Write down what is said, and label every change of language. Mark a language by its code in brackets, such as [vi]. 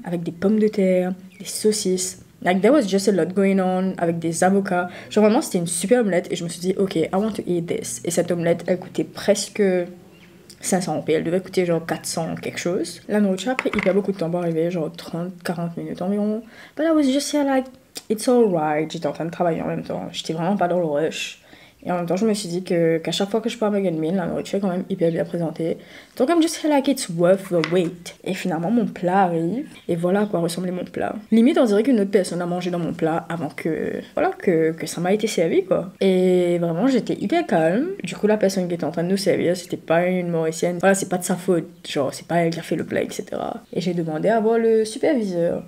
[fr] Avec des pommes de terre, des saucisses. [en] Like, there was just a lot going on, [fr] avec des avocats. Genre, vraiment, c'était une super omelette, et je me suis dit, [en] ok, I want to eat this. [fr] Et cette omelette, elle coûtait presque 500 rupees. Elle devait coûter genre 400 quelque chose. La nourriture a pris hyper beaucoup de temps pour arriver, genre 30-40 minutes environ. [en] But I was just here like, it's alright. [fr] J'étais en train de travailler en même temps. J'étais vraiment pas dans le rush. Et en même temps, je me suis dit qu'à chaque fois que je pars à Mug & Bean, la nourriture est quand même hyper bien présentée. Donc, [en] I'm just feel like it's worth the wait. [fr] Et finalement, mon plat arrive. Et voilà à quoi ressemblait mon plat. Limite, on dirait qu'une autre personne a mangé dans mon plat avant que, voilà, que ça m'a été servi, quoi. Et vraiment, j'étais hyper calme. Du coup, la personne qui était en train de nous servir, c'était pas une Mauricienne. Voilà, c'est pas de sa faute. Genre, c'est pas elle qui a fait le plat, etc. Et j'ai demandé à voir le superviseur.